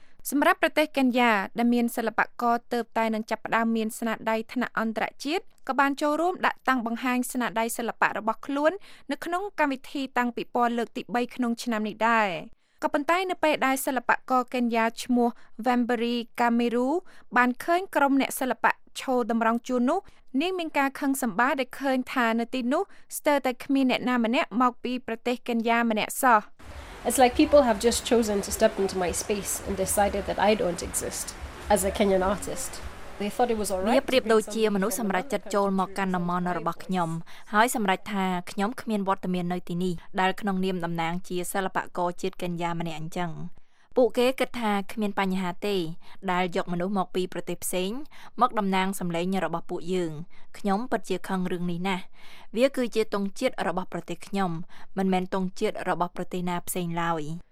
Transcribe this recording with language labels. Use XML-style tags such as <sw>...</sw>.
<km>សម្រាប់ប្រទេសកេនយ៉ាដែលមានសិល្បករទើបតែនឹងចាប់ផ្ដើមមានស្នាដៃថ្នាក់អន្តរជាតិក៏បានចូលរួមដាក់តាំងបង្ហាញស្នាដៃសិល្បៈរបស់ខ្លួននៅក្នុងកម្មវិធីតាំងពិព័រណ៍លើកទី3ក្នុងឆ្នាំនេះដែរក៏ប៉ុន្តែនៅពេលដែលសិល្បករកេនយ៉ាឈ្មោះ Wambery Kameru បានឃើញក្រុមអ្នកសិល្បៈឈរតម្រង់ជួរនោះនាងមានការខឹងសម្បារដែលឃើញថានៅទីនោះស្ទើរតែគ្មានអ្នកណាម្នាក់មកពីប្រទេសកេនយ៉ាម្នាក់សោះ</km> <en>It's like people have just chosen to step into my space and decided that I don't exist as a Kenyan artist. They thought it was all right.</en> <km>ប្រៀបដូចជាមនុស្សសម្រាប់ចិត្តចូលមកកាន់តំណរបស់ខ្ញុំហើយសម្រាប់ថាខ្ញុំគ្មានវត្តមាននៅទីនេះដែលក្នុងនាមតំណាងជាសិល្បករជាតិកញ្ញាម្នាក់អញ្ចឹងពួកគេគិតថាគ្មានបញ្ហាទេដែលយកមនុស្សមកពីប្រទេសផ្សេងមកតំណាងសម្លេងរបស់ពួកយើងខ្ញុំពិតជាខឹងរឿងនេះណាស់វាគឺជាទង់ជាតិរបស់ប្រទេសខ្ញុំមិនមែនទង់ជាតិរបស់ប្រទេសណាផ្សេងឡើយ</km>